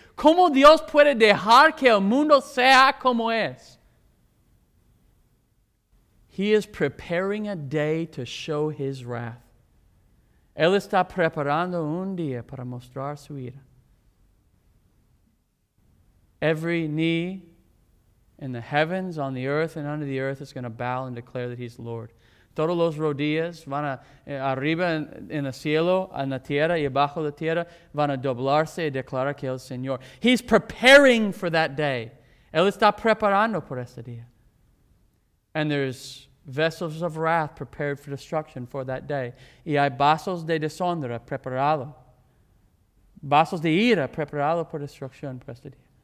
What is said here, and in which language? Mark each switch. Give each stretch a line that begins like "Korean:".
Spanish: ¿Cómo Dios puede dejar que el mundo sea como es?
English: He is preparing a day to show His wrath.
Spanish: Él está preparando un día para mostrar su ira.
English: Every knee in the heavens, on the earth, and under the earth is going to bow and declare that He's Lord.
Spanish: Todos los rodillas van a, arriba en el cielo, en la tierra y abajo de la tierra, van a doblarse y declarar que el Señor.
English: He's preparing for that day.
Spanish: Él está preparando por ese día.
English: And there's vessels of wrath prepared for destruction for that day.
Spanish: Y hay vasos de deshonra preparado. Vasos de ira preparado por destrucción por ese día.